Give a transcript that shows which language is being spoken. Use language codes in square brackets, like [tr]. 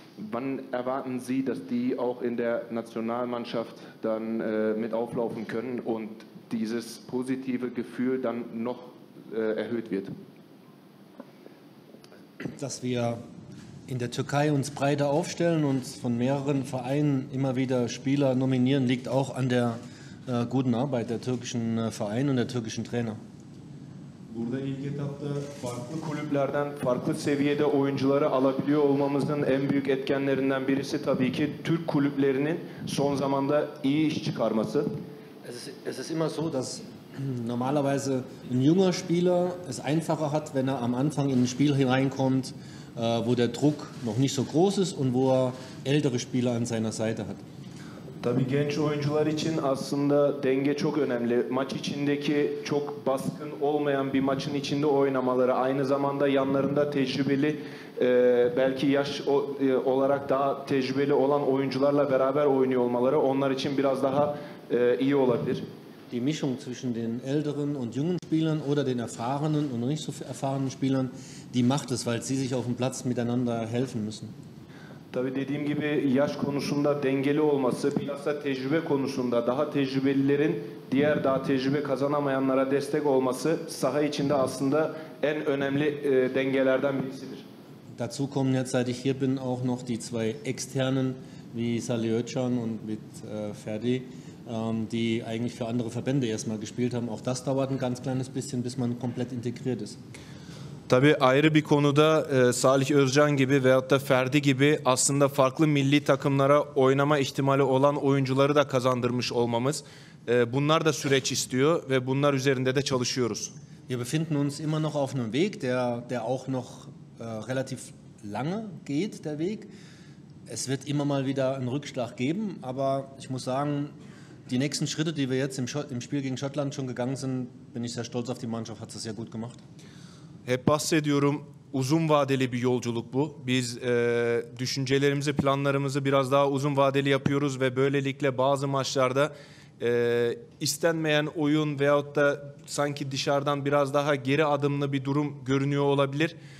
[de] Wann erwarten Sie, dass die auch in der Nationalmannschaft dann mit auflaufen können und dieses positive Gefühl dann noch erhöht wird? Dass wir in der Türkei uns breiter aufstellen und von mehreren Vereinen immer wieder Spieler nominieren, liegt auch an der guten Arbeit der türkischen Vereine und der türkischen Trainer. [tr] Burada ilk etapta farklı kulüplerden farklı seviyede oyuncuları alabiliyor olmamızın en büyük etkenlerinden birisi tabii ki Türk kulüplerinin son zamanda iyi iş çıkarması. [de] Es ist immer so, dass normalerweise ein junger Spieler es einfacher hat, wenn er am Anfang in ein Spiel hineinkommt, wo der Druck noch nicht so groß ist und wo er ältere Spieler an seiner Seite hat. [tr] Tabii genç oyuncular için aslında denge çok önemli. Maç içindeki çok baskın olmayan bir maçın içinde oynamaları, aynı zamanda yanlarında tecrübeli, belki yaş olarak daha tecrübeli olan oyuncularla beraber oynuyor olmaları onlar için biraz daha iyi olabilir. [de] Die Mischung zwischen den älteren und jungen Spielern oder den erfahrenen und nicht so erfahrenen Spielern, die macht es, weil sie sich auf dem Platz miteinander helfen müssen. [tr] Tabii dediğim gibi yaş konusunda dengeli olması, bilhassa tecrübe konusunda daha tecrübelilerin diğer daha tecrübe kazanamayanlara destek olması saha içinde aslında en önemli dengelerden birisidir. [de] Dazu kommen jetzt, seit ich hier bin, auch noch die zwei externen wie Salih Öcan und mit Ferdi. die eigentlich für andere Verbände erstmal gespielt haben. Auch das dauert ein ganz kleines bisschen, bis man komplett integriert ist. [tr] Tabii ayrı bir konuda Salih Özcan gibi veyahut da Ferdi gibi aslında farklı milli takımlara oynama ihtimali olan oyuncuları da kazandırmış olmamız. Bunlar da süreç istiyor ve bunlar üzerinde de çalışıyoruz. [de] Wir befinden uns immer noch auf einem Weg, der auch noch relativ lange geht, der Weg. Es wird immer mal wieder einen Rückschlag geben, aber ich muss sagen, die nächsten Schritte, die wir jetzt im Spiel gegen Schottland schon gegangen sind, bin ich sehr stolz auf die Mannschaft, hat es sehr gut gemacht. [tr] Hep bahsediyorum, uzun vadeli bir yolculuk bu. Biz düşüncelerimizi, planlarımızı biraz daha uzun vadeli yapıyoruz ve böylelikle bazı maçlarda istenmeyen oyun veyahut da sanki dışarıdan biraz daha geri adımlı bir durum görünüyor olabilir.